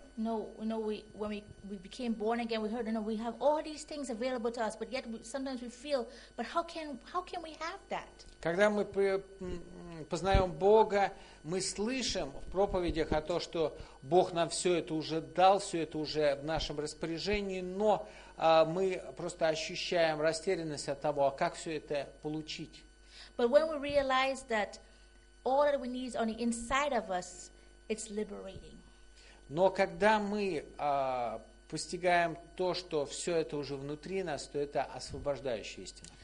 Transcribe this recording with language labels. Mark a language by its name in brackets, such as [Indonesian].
[English] No, you know, when we became born again, we heard, you know, we have all these things available to us, but yet sometimes we feel, but how can we have that? [Russian] Когда мы познаем Бога, мы слышим в проповедях о том, что Бог нам все это уже дал, все это уже в нашем распоряжении, но мы просто ощущаем растерянность от того, а как все это получить? [English] But when we realize that all that we need is on the inside of us, it's liberating. [Russian] Но когда мы постигаем то, что все это уже внутри нас, то это освобождающая истина.